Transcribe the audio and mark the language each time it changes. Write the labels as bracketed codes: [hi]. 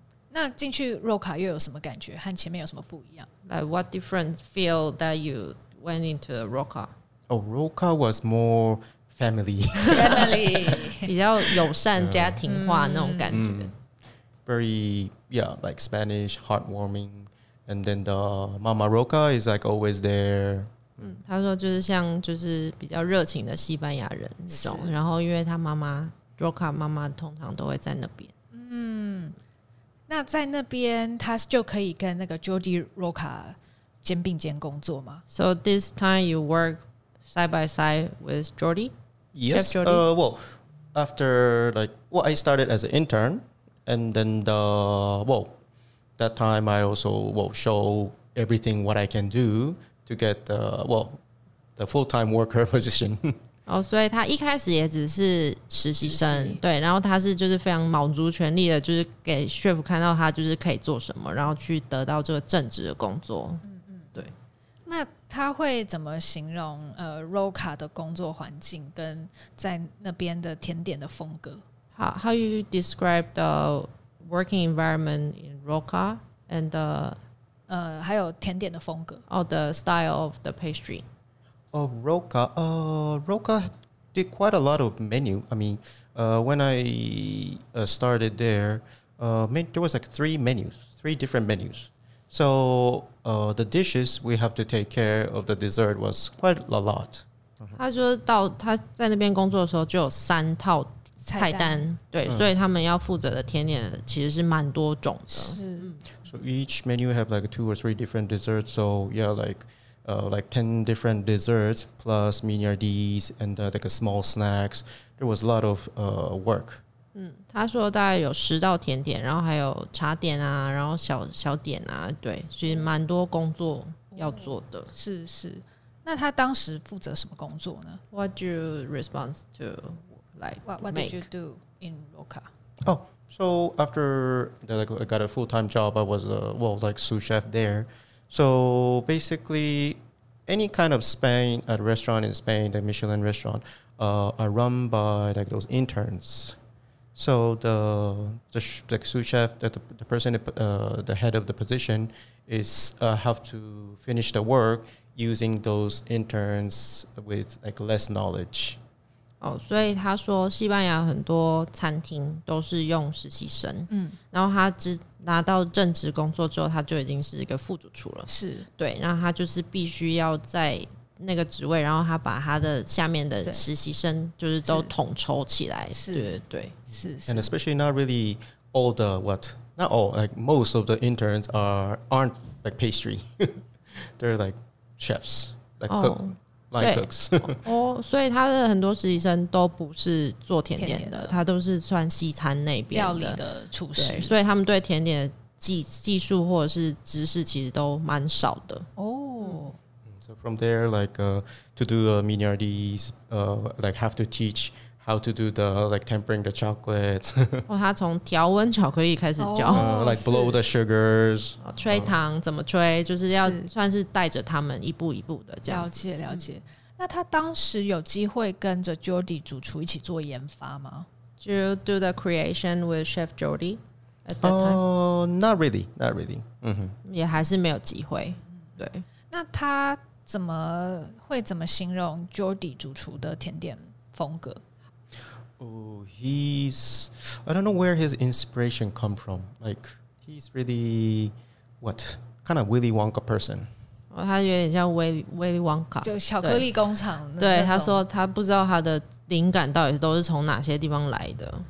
[zh] 那进去 Roca 又有什么感觉？和前面有什么不一样 [en] ？Like what different feel that you went into Roca? Oh, Roca was more family, family [zh] 比较友善、家庭化那种感觉。 [en] Very yeah, like Spanish heartwarming, and then the Mama Roca is like always there. [zh] 他说就是像就是比较热情的西班牙人那种，然后因为他妈妈 Roca 妈妈通常都会在那边。那在那边他就可以跟那个 Jordi Roca 肩并肩工作吗 [en] So this time you work side by side with Jordi? Yes, Jordi? Well, after like, well, I started as an intern and then the, well, that time I also will show everything what I can do to get the, well, the full-time worker position. [zh] 哦，所以他一开始也只是实习生，对，然后他是就是非常卯足全力的，就是给 chef 看到他就是可以做什么，然后去得到这个正职的工作。对。那他会怎么形容Roca 的工作环境跟在那边的甜点的风格 [en] ？How you describe the working environment in Roca and the [zh] 还有甜点的风格 [en] ？Oh, the style of the pastry. Oh, Roca. Roca did quite a lot of menu. I mean, when I started there, there was like three different menus. So the dishes we have to take care of the dessert was quite a lot. [zh] 他说到他在那边工作的时候就有三套菜单，对，所以他们要负责的甜点其实是蛮多种的。 [en] So each menu have like two or three different desserts. So yeah, like 10 different desserts plus miniardies and like a small snacks. There was a lot of work. [zh] 他说大概有十道甜点，然后还有茶点啊，然后小点啊，对，所以蛮多工作要做的。是是，那他当时负责什么工作呢 [en] ？What do you respond to? Like what did you do in Roca? Oh, so after that, like, I got a full time job, I was well like sous chef there. So basically, any kind of Spain, a restaurant in Spain, the Michelin restaurant, are run by like those interns. So the sous chef, the person, the head of the position, is have to finish the work using those interns with like less knowledge. [zh] Oh, 所以他说西班牙很多餐厅都是用实习生。然后他知。拿到正职工作之后他就已经是一个副主厨了是对然后他就是必须要在那个职位然后他把他的下面的实习生就是都统筹起来是对 对是 [en] and especially not really all the what not all like most of the interns aren't like pastry they're like chefs like cook、 oh, line cooks [zh] 哦所以他的很多实习生都不是做甜点的他都是算西餐那边料理的厨师所以他们对甜点的技术或者是知识其实都蛮少的哦、 [en] So from there like to do miniardies like have to teach how to do the like tempering the chocolates [zh] 、哦、他从调温巧克力开始教、哦、 [en] like blow the sugars [zh] 吹糖怎么吹就是要算是带着他们一步一步的这样了解了解那他当时有机会跟着 Jordi 主厨一起做研发吗 [en] Do you do the creation with Chef Jordi at that time? Not really, not really.、Mm-hmm. [zh] 也还是没有机会。对。那那他怎么会怎么形容 Jordi 主厨的甜点风格？ [en] I don't know where his inspiration come from. Like, he's really, what, kind of Willy Wonka person. [zh] 他有点像威利旺卡，就巧克力工厂。对，他说他不知道他的灵感到底都是从哪些地方来的。